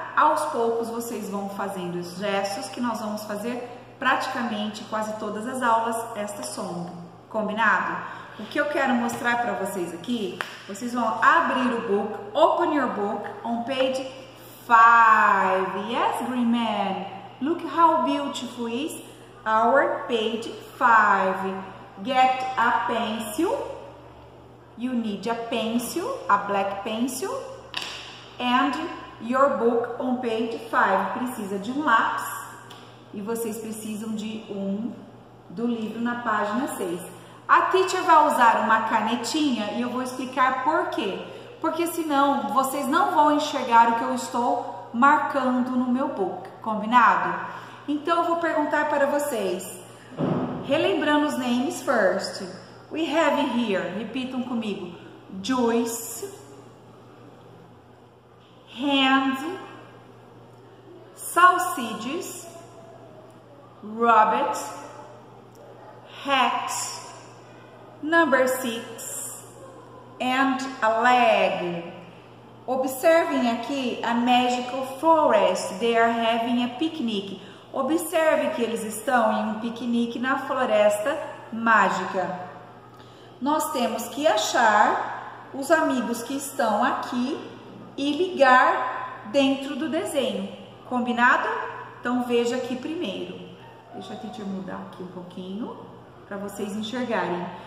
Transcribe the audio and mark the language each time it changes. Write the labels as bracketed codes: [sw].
[pt] Aos poucos vocês vão fazendo os gestos que nós vamos fazer praticamente quase todas as aulas esta song. Combinado? O que eu quero mostrar para vocês aqui, vocês vão abrir o book, [en] open your book on page 5. Yes, Green Man. Look how beautiful is our page 5. Get a pencil. You need a pencil, a black pencil. And your book on page 5. [pt] Precisa de um lápis e vocês precisam de um do livro na página 6. A teacher vai usar uma canetinha e eu vou explicar por quê. Porque senão vocês não vão enxergar o que eu estou marcando no meu book, combinado? Então eu vou perguntar para vocês. Relembrando os [en] names first. We have here, [pt] repitam comigo. [en] Juice. Hand. Sausages. Rabbit. Hat. Number 6 and a leg. [pt] Observem aqui a [en] magical forest. They are having a picnic. [pt] Observe que eles estão em um piquenique na floresta mágica. Nós temos que achar os amigos que estão aqui e ligar dentro do desenho. Combinado? Então veja aqui primeiro. Deixa eu te mudar aqui um pouquinho para vocês enxergarem.